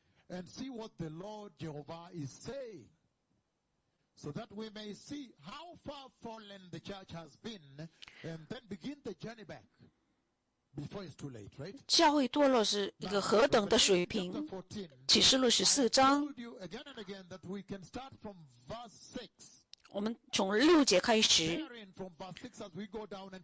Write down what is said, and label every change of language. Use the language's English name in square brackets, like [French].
[English] And see what the Lord Jehovah is saying, so that we may see how far fallen the church has been, and then begin the journey back before it's too late, right? [Chinese] 教会堕落是一个何等的水平？启示录十四章。 [English] I told you again and again that we can start from verse 6. [Chinese] 我们从六节开始。 [English] Sharing from verse 6 as we go down and